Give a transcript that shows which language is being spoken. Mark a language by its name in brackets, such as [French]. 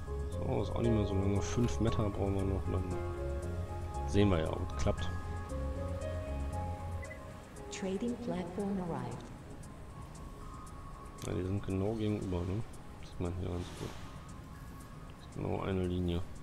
[German] So, ist auch nicht mehr so lange. 5 Meter brauchen wir noch. Dann sehen wir ja, ob es klappt. [English] Trading platform arrived. [German] Ja, die sind genau gegenüber, ne? Das sieht man hier ganz gut. Nur eine Linie.